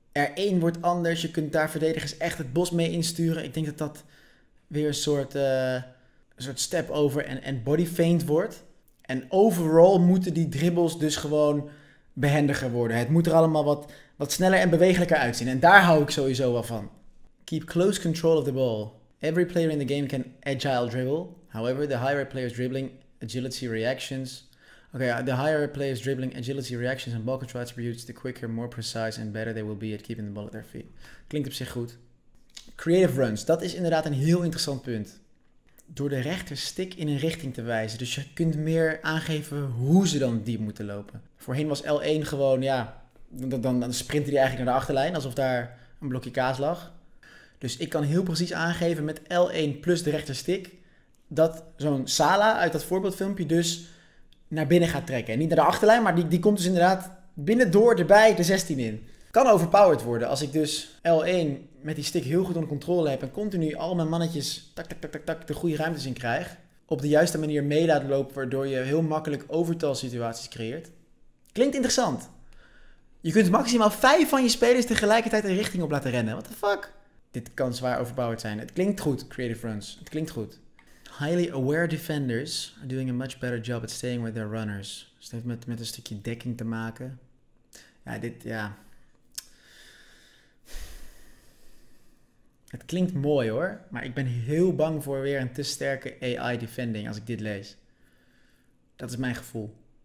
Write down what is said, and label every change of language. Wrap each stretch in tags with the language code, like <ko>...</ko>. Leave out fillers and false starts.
<nl>R1 wordt anders. Je kunt daar verdedigers echt het bos mee insturen. Ik denk dat dat weer een soort een soort step over en body faint wordt. En overall moeten die dribbles dus gewoon behendiger worden. Het moet er allemaal wat sneller en bewegelijker uitzien. En daar hou ik sowieso wel van.</nl> <en>Keep close control of the ball. Every player in the game can agile dribble. However, the higher a player's dribbling, agility reactions. Okay, the higher a player's dribbling, agility reactions and ball control attributes, the quicker, more precise and better they will be at keeping the ball at their feet.</en> <nl>Klinkt op zich goed. Creative runs. Dat is inderdaad een heel interessant punt. Door de rechter stick in een richting te wijzen. Dus je kunt meer aangeven hoe ze dan diep moeten lopen. Voorheen was L1 gewoon, ja, dan sprintte hij eigenlijk naar de achterlijn. Alsof daar een blokje kaas lag. Dus ik kan heel precies aangeven met L1 plus de rechter stick. Dat zo'n Sala uit dat voorbeeldfilmpje dus naar binnen gaat trekken. En niet naar de achterlijn, maar die komt dus inderdaad binnen door erbij de 16 in. Kan overpowered worden als ik dus L1 met die stick heel goed onder controle heb. En continu al mijn mannetjes tak, tak, tak, tak, tak de goede ruimtes in krijg. Op de juiste manier mee laat lopen, waardoor je heel makkelijk overtal situaties creëert. Klinkt interessant. Je kunt maximaal 5 van je spelers tegelijkertijd een richting op laten rennen.</nl> <en>What the fuck?</en> <nl>Dit kan zwaar overpowered zijn. Het klinkt goed, creative runs. Het klinkt goed.</nl> <en>Highly aware defenders are doing a much better job at staying with their runners.</en> <nl>Dus dat heeft met een stukje dekking te maken. Ja, dit, ja. Het klinkt mooi hoor, maar ik ben heel bang voor weer een te sterke AI defending als ik dit lees. Dat is mijn gevoel.</nl>